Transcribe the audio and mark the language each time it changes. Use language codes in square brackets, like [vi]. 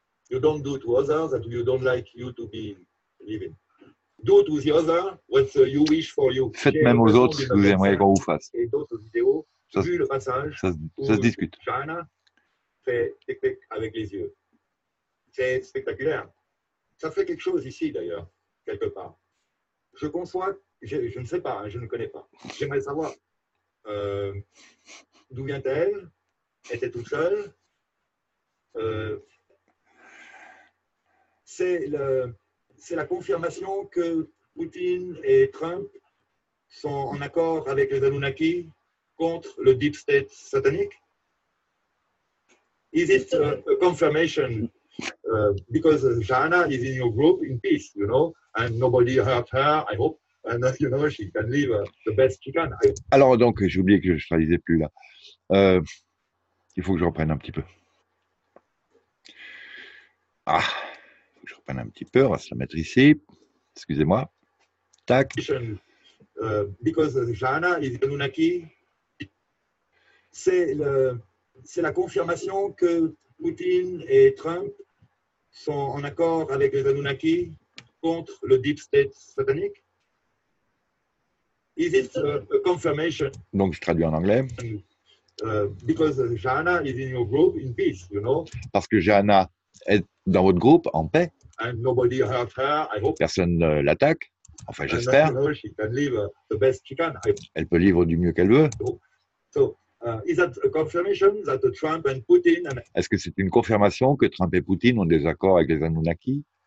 [en] You don't do to others that you don't like you to be living. Do to the other what you wish for you. [fr] Faites et même aux autres ce que vous aimeriez qu'on vous fasse. Et d'autres vidéos, vu le passage, ça se discute. Shana fait tic-tic avec les yeux. C'est spectaculaire. Ça fait quelque chose ici d'ailleurs, quelque part. Je conçois, je ne sais pas, je ne connais pas. J'aimerais savoir. D'où vient-elle? Était toute seule? C'est la confirmation que Poutine et Trump sont en accord avec les Anunnaki contre le deep state satanique? [en] Is it a confirmation? Because Jana is in your group in peace, you know, and nobody hurt her, I hope. And you know, she can live the best she can. [fr] Alors donc, j'ai oublié que je ne traduisais plus là. Il faut que je reprenne un petit peu. Ah, il faut que je reprenne un petit peu. On va se la mettre ici. Excusez-moi. Tac. [en] Because Jana is Anunnaki, [fr] c'est la confirmation que Poutine et Trump sont en accord avec les Anunnaki contre le deep state satanique. [en] Is it a confirmation? [fr] Donc, je traduis en anglais. [en] Because Jana is in your group in peace, you know. [fr] Parce que Jana est dans votre groupe en paix. [en] And nobody hurt her, I hope. [fr] Personne ne l'attaque. Enfin, j'espère. [en] And, you know, she can live the best she can. [fr] Elle peut vivre du mieux qu'elle veut. [en] So, is that a confirmation that Trump and Putin and... [fr] Est-ce que c'est une confirmation que Trump et Poutine ont des accords avec les Anunnaki?